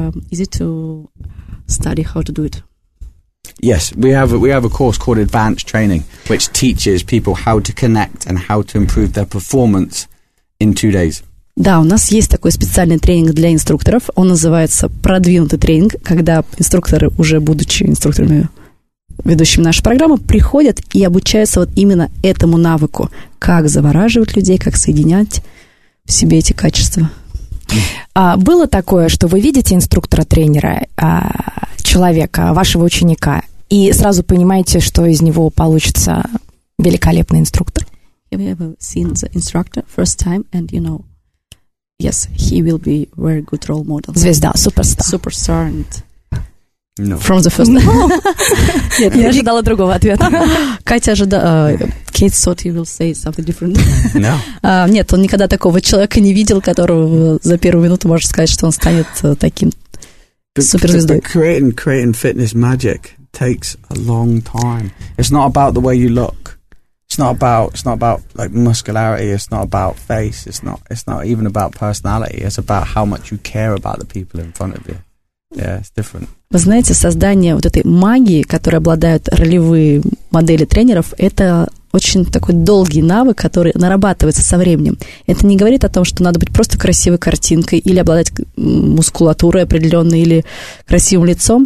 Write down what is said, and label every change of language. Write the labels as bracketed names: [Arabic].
[English] Is it to study how to do it? Yes, we have a course called Advanced Training, which teaches people how to connect and how to improve their performance in 2 days. [Russian] Да, у нас есть такой специальный тренинг для инструкторов. Он называется «Продвинутый тренинг», когда инструкторы, уже будучи инструкторами, ведущими нашу программу, приходят и обучаются вот именно этому навыку, как завораживать людей, как соединять в себе эти качества. А было такое, что вы видите инструктора-тренера, человека, вашего ученика, и сразу понимаете, что из него получится великолепный инструктор? [English] Have you ever seen the instructor first time, and you know, yes, he will be very good role model. [Russian] Звезда, суперстар. Суперстар. [English] And... No. From the first time. No. [Russian] Нет, я ожидала другого ответа. Катя ожидала... [English] Kate thought he will say something different. No. [Russian] Нет, он никогда такого человека не видел, которого за первую минуту можешь сказать, что он станет таким суперзвездой. [English] But creating fitness magic takes a long time. It's not about the way you look. It's not about like muscularity. It's not about face. It's not even about personality. It's about how much you care about the people in front of you. Yeah, it's different. [Russian] Вы знаете, создание вот этой магии, которой обладают ролевые модели тренеров, это очень такой долгий навык, который нарабатывается со временем. Это не говорит о том, что надо быть просто красивой картинкой или обладать мускулатурой определенной или красивым лицом.